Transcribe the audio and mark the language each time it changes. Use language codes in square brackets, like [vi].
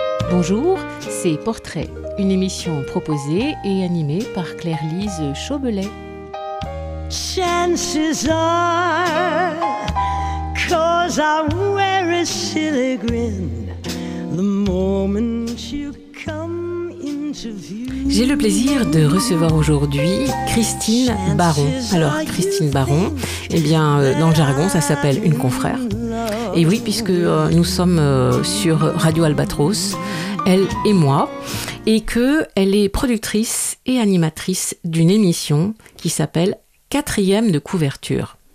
[fr] Bonjour, c'est Portrait, une émission proposée et animée par Claire-Lise Chaubelet. [en] Chances are, 'cause I wear a silly grin, the moment you come into view. [fr] J'ai le plaisir de recevoir aujourd'hui Christine Baron. Alors, Christine Baron, eh bien, dans le jargon, ça s'appelle une confrère. Et oui, puisque nous sommes sur Radio Albatros, elle et moi, et qu'elle est productrice et animatrice d'une émission qui s'appelle « Quatrième de couverture ».